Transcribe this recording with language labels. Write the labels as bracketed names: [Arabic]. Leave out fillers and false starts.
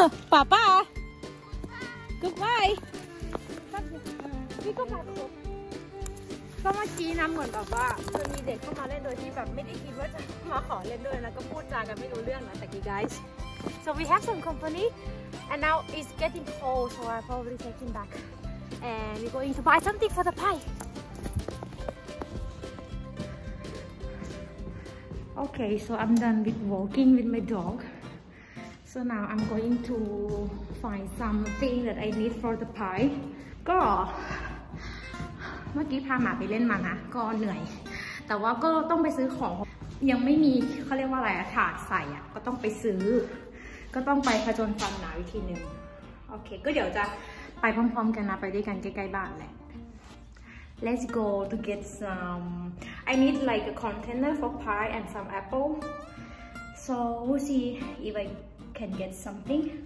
[English] Papa, goodbye. [Thai] พี่ก็มา ครับก็เมื่อกี้นะเหมือนแบบว่ามันมีเด็กเข้ามาเล่นโดยที่แบบไม่ได้คิดว่าจะมาขอเล่นด้วยแล้วก็พูดจากันไม่รู้เรื่องนะแต่กี้ guys [English] so we have some company and now it's getting cold so I probably take him back and we're going to buy something for the pie okay so I'm done with walking with my dog. So now I'm going to find something that I need for the pie [Thai] ก็เมื่อกี้พาหมาไปเล่นมานะก็เหนื่อยแต่ว่าก็ต้องไปซื้อของยังไม่มีเขาเรียกว่าอะไรถาดใส่อะก็ต้องไปซื้อก็ต้องไปผจญความหนาวอีกทีนึงโอเคก็เดี๋ยวจะไปพร้อมๆกันนะไปด้วยกันใกล้ๆบ้านแหละ [English] Let's go to get some I need like a container for pie and some apple So we'll see if I can get something